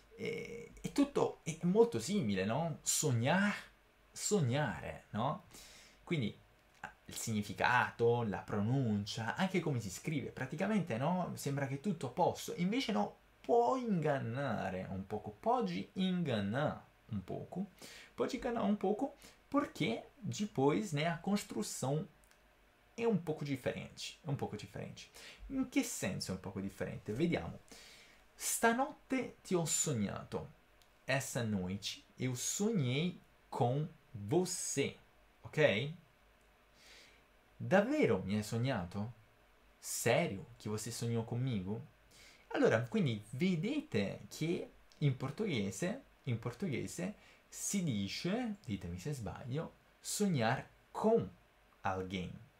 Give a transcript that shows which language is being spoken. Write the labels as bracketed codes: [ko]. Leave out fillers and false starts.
[it] è tutto è molto simile, no? Sognare, no? Quindi il significato, la pronuncia, anche come si scrive, praticamente, no? Sembra che tutto a posto, invece no, può ingannare un poco, poggi ingannare. [pt] Um pouco, pode enganar um pouco, porque depois, né, a construção é um pouco diferente, é um pouco diferente. Em que senso é um pouco diferente? [it] Vediamo. Stanotte ti ho sognato. [pt] Essa noite eu sonhei com você, ok? [it] Davvero mi hai sognato? [pt] Sério que você sonhou comigo? [it] Allora, quindi vedete che in portoghese in portoghese si dice, ditemi se sbaglio, sognar con alguien.